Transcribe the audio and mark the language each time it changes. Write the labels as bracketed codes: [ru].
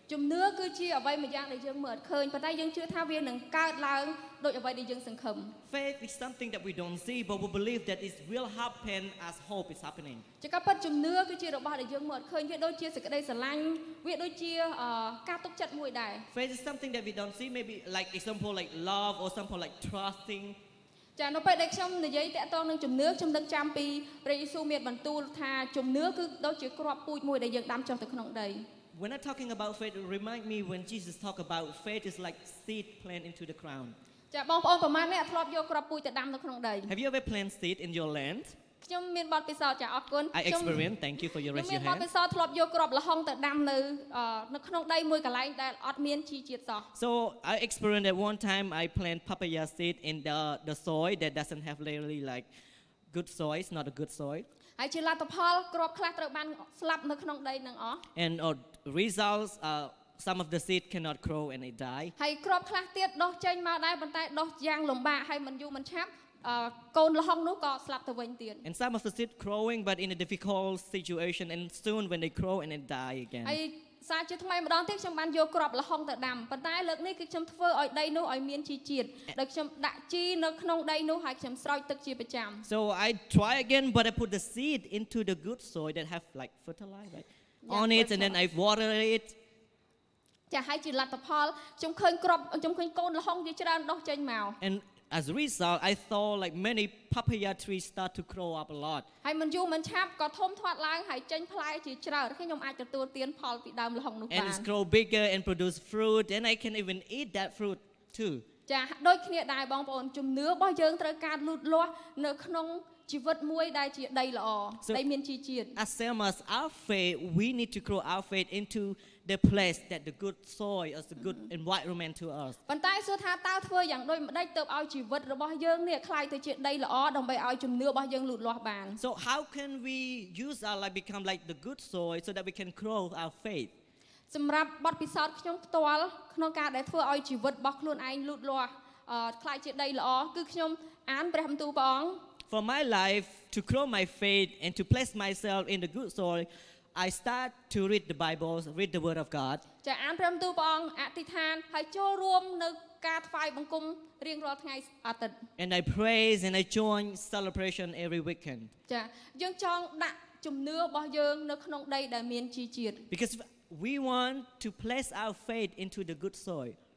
[km] ជំនឿគឺជាអ្វីម្យ៉ាងដែលយើងមើលឃើញប៉ុន្តែយើងជឿថាវានឹងកើតឡើងដោយអ្វីដែលយើងសង្ឃឹម [en] Faith is something that we don't see but we believe that it will happen as hope is happening [km] ចកប៉ុតជំនឿគឺជារបស់ដែលយើងមើលឃើញវាដូចជាសេចក្តីស្រឡាញ់វាដូចជាការទុកចិត្តមួយដែរ [en] Faith is something that we don't see maybe like example like love or something like trusting [km] ចានៅពេលដែលខ្ញុំនិយាយតាក់ទងនឹងជំនឿខ្ញុំនឹងចាំពីព្រះយេស៊ូវមានបន្ទូលថាជំនឿគឺដូចជាគ្រាប់ពូជមួយដែលយើងដាំចុះទៅក្នុងដី [en] When I'm talking about faith, remind me when Jesus talked about faith is like seed planted into the ground. [km] ចាបងប្អូនប្រមាណអ្នកធ្លាប់យកគ្រាប់ពូជទៅដាំនៅក្នុងដី [en] Have you ever planted seed in your land? [km] ខ្ញុំមានបទពិសោធន៍ចាអរគុណ [en] I experienced. Thank you for your raise your hand. [km] មានបទពិសោធន៍ធ្លាប់យកគ្រាប់ល្ហុងទៅដាំនៅក្នុងដីមួយកន្លែងដែលអត់មានជីជាតិសោះ [en] So I experienced that one time I planted papaya seed in the soil that doesn't have really like good soil, it's not a good soil. [km] ហើយជាលទ្ធផលគ្រាប់ខ្លះត្រូវបានស្លាប់នៅក្នុងដីនឹងអស់ [en] And results some of the seed cannot grow and it die [km] ហើយគ្រាប់ខ្លះទៀតដុះចេញមកដែរប៉ុន្តែដុះយ៉ាងលំបាកហើយមិនយូរមិនឆាប់កូនល្ហុងនោះក៏ស្លាប់ទៅវិញទៀត [en] And some of the seed growing but in a difficult situation and soon when they grow and it die again [km] ហើយសារជាថ្មីម្ដងទៀតខ្ញុំបានយកគ្រាប់ល្ហុងទៅដាំប៉ុន្តែលើកនេះគឺខ្ញុំធ្វើឲ្យដីនោះឲ្យមានជីជាតិដោយខ្ញុំដាក់ជីនៅក្នុងដីនោះហើយខ្ញុំស្រោចទឹកជាប្រចាំ [en] So I try again but I put the seed into the good soil that have like fertilized right? on it and then I water it [km] ចាហើយជាលទ្ធផលខ្ញុំឃើញគ្រាប់ខ្ញុំឃើញកូនល្ហុងវាច្រើនដុះចេញមក [en] And as a result I saw like many papaya trees start to grow up a lot [km] ហើយមិនយូរមិនឆាប់ក៏ធំធាត់ឡើងហើយចេញផ្លែជាច្រើនខ្ញុំអាចទទួលទានផលពីដើមល្ហុងនោះបាន [en] And it's grow bigger and produce fruit and I can even eat that fruit too [km] ចាដូចគ្នាដែរបងប្អូនជំនឿរបស់យើងត្រូវការលូតលាស់នៅក្នុងជីវិតមួយដែលជាដីល្អដីមានជីជាតិ [en] As same as our faith we need to grow our faith into the place that the good soil is the good environment to us [km] ប៉ុន្តែសួរថាតើធ្វើយ៉ាងដូចម្តេចទើបឲ្យជីវិតរបស់យើងនេះក្លាយទៅជាដីល្អដើម្បីឲ្យជំនឿរបស់យើងលូតលាស់បាន [en] So how can we use our life become like the good soil so that we can grow our faith [km] សម្រាប់បទពិសោធន៍ខ្ញុំផ្ទាល់ក្នុងការដែលធ្វើឲ្យជីវិតរបស់ខ្លួនឯងលូតលាស់ក្លាយជាដីល្អគឺខ្ញុំអានព្រះបន្ទូលព្រះអង្គ [en] For my life, to grow my faith and to place myself in the good soil, I start to read the Bible, read the Word of God. [km] ចាអានព្រះបន្ទូលព្រះអង្គអធិដ្ឋានហើយចូលរួមនៅការថ្វាយបង្គំរៀងរាល់ថ្ងៃអាទិត្យ [en] And I praise and I join celebration every weekend. [km] ចាយើងចង់ដាក់ជំនឿរបស់យើងនៅក្នុងដីដែលមានជីជាតិ [en] Because we want to place our faith into the good soil.